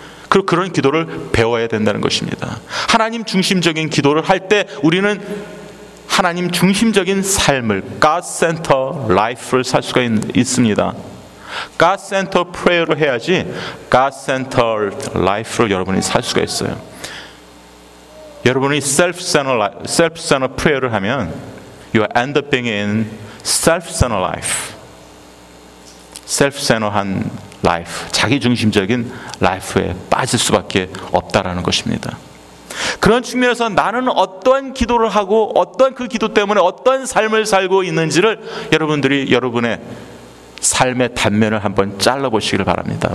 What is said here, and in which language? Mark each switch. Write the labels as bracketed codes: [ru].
[ko] 그리고 그런 기도를 배워야 된다는 것입니다. 하나님 중심적인 기도를 할 때 우리는 하나님 중심적인 삶을 God-centered life를 살 수가 있습니다. God-centered prayer로 해야지 God-centered life로 여러분이 살 수가 있어요. 여러분이 self-centered prayer를 하면 [en] you end up being in self-centered life. [ko] self-centered한 라이프, 자기중심적인 라이프에 빠질 수밖에 없다라는 것입니다. 그런 측면에서 나는 어떤 기도를 하고 어떤 그 기도 때문에 어떤 삶을 살고 있는지를 여러분들이 여러분의 삶의 단면을 한번 잘라보시길 바랍니다.